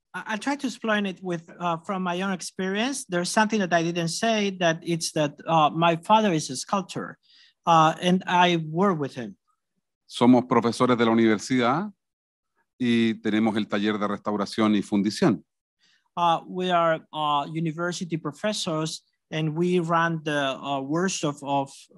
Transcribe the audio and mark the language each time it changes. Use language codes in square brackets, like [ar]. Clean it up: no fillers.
[en] I'll try to explain it with from my own experience. There's something that I didn't say, that it's that my father is a sculptor, and I work with him. [es] Somos profesores de la universidad y tenemos el taller de restauración y fundición. [en] We are university professors, and we run the workshop of